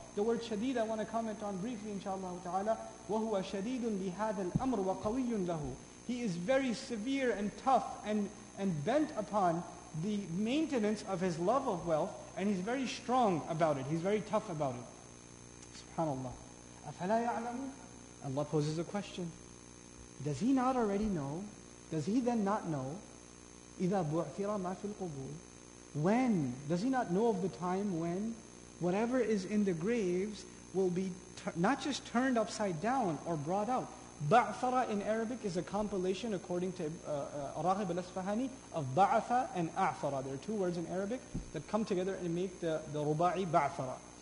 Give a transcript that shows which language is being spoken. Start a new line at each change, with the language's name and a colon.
English: The word شَدِيد I want to comment on briefly inshaAllah ta'ala.
Arabic: وَهُوَ شَدِيدٌ لِهَذَا الْأَمْرُ وَقَوِيٌّ لَهُ
English: He is very severe and tough and bent upon the maintenance of his love of wealth, and he's very strong about it, he's very tough about it. SubhanAllah.
Arabic: أَفَلَا يَعْلَمُ
English: Allah poses a question. Does he not already know? Does he then not know?
Arabic: إِذَا بُعْثِرَ مَا فِي الْقُبُورِ
English: When? Does he not know of the time when whatever is in the graves will be not just turned upside down or brought out? Ba'athara in Arabic is a compilation, according to Raghib al-Isfahani, of Ba'atha and A'athara. There are two words in Arabic that come together and make the Ruba'i Ba'athara.